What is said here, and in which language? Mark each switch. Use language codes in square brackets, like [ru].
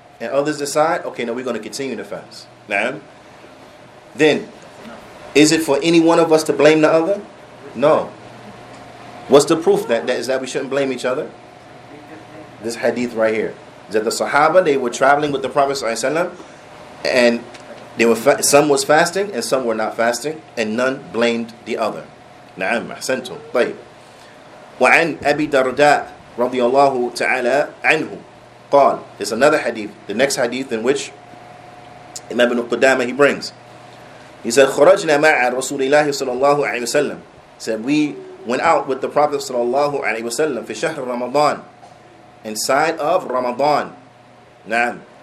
[en] And others decide, okay, no, we're going to continue the fast. Naam. Then, is it for any one of us to blame the other? No. What's the proof that we shouldn't blame each other? This hadith right here. That the Sahaba, they were traveling with the Prophet Sallallahu Alaihi Wasallam, and they were some was fasting and some were not fasting, and none blamed the other. [ar] Naam, ahsantum. Tayyib. وَعَنْ أَبِي دَرْدَاءَ رضي الله تعالى عنه قال. [en] It's another hadith, the next hadith in which Imam Ibn Qudamah, he brings. He said, خرجنا مع رسول الله صلى الله عليه وسلم. He said, we went out with the Prophet [ar] صلى الله عليه وسلم في شهر رمضان, [en] inside of Ramadan. [ar] نعم.